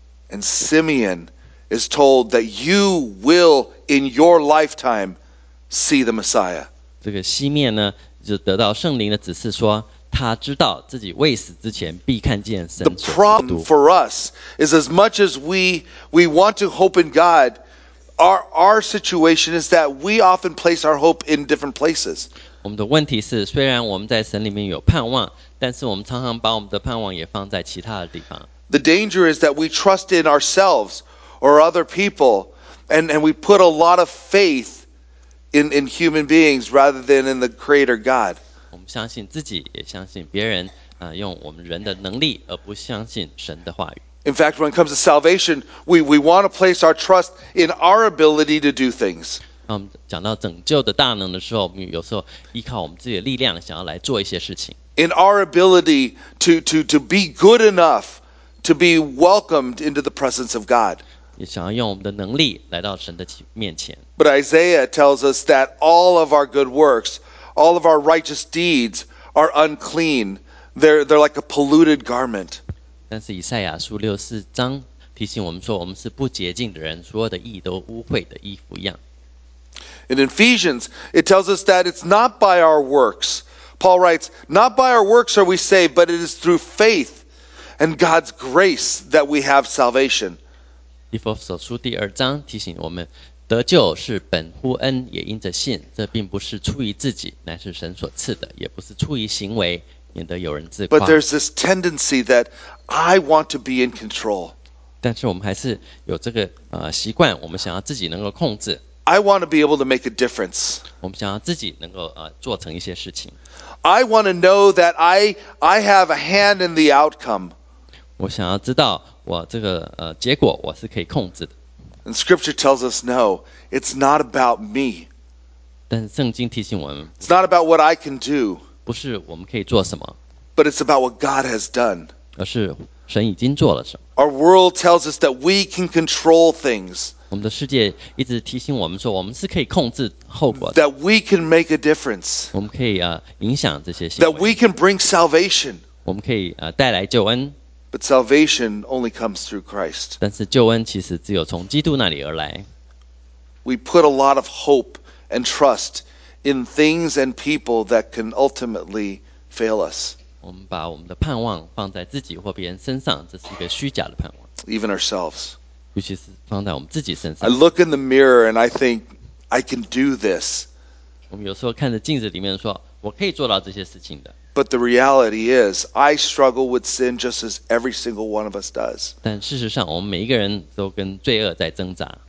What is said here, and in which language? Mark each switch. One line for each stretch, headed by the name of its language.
English: And Simeon. Is told that you will in your lifetime see the Messiah.
Chinese: 这个西面呢，就得到圣灵的指示说，他知道自己未死之前必看见神。
English: The problem for us is as much as we want to hope in God, our situation is that we often place our hope in different places.
Chinese: 我们的问题是，虽然我们在神里面有盼望，但是我们常常把我们的盼望也放在其他的地方。
English: The danger is that we trust in ourselves.Or other people, And we put a lot of faith in human beings rather than in the Creator God.
Chinese: 我们相信自己，也相信别人，啊，用我们人的能力，而不相信神的话语。
English: In fact, when it comes to salvation, we want to place our trust in our ability to do things.
Chinese: 当我们讲到拯救的大能的时候，我们有时候依靠我们自己的力量，想要来做一些事情。
English: In our ability to be good enough to be welcomed into the presence of God.
Chinese: 也想要用我们的能力来到神的面前。
English: But Isaiah tells us that all of our good works, all of our righteous deeds are unclean. They're like a polluted garment.
Chinese: 但是以赛亚书六四章提醒我们说，我们是不洁净的人，所有的义都污秽的衣服一样。
English: In Ephesians, it tells us that it's not by our works. Paul writes, not by our works are we saved, but it is through faith and God's grace that we have salvation.
Chinese: 以弗所书第二章提醒我们，得救是本乎恩，也因着信，这并不是出于自己，乃是神所赐的，也不是出于行为，免得有人自夸。
English: But there's this tendency that I want to be in control.
Chinese: 但是我们还是有这个习惯，我们想要自己能够控制。
English: I want to be able to make a difference.
Chinese: 我们想要自己能够做成一些事情。
English: I want to know that I have a hand in the outcome.
Chinese: 我想要知道我这个结果我是可以控制的。
English: And Scripture tells us no, it's not about me.
Chinese: 但是圣经提醒我们
English: ，It's not about what I can do.
Chinese: 不是我们可以做什么
English: ，But it's about what God has done.
Chinese: 而是神已经做了什么。
English: Our world tells us that we can control things.
Chinese: 我们的世界一直提醒我们说，我们是可以控制后果的。
English: That we can make a difference.
Chinese: 我们可以影响这些行为。
English: That we can bring salvation.
Chinese: 我们可以带来救恩。
English: But salvation only comes through Christ.
Chinese: 但是救恩其实只有从基督那里而来。
English: We put a lot of hope and trust in things and people that can ultimately fail us.
Chinese: 我们把我们的盼望放在自己或别人身上，这是一个虚假的盼望。
English: Even ourselves.
Chinese: 尤其是放在我们自己身上。
English: I look in the mirror and I think I can do this.
Chinese: 我们有时候看着镜子里面说，我可以做到这些事情的。
English: But the reality is, I struggle with sin just as every single one of us does.
Chinese: 但事实上，我们每一个人都跟罪恶在挣扎。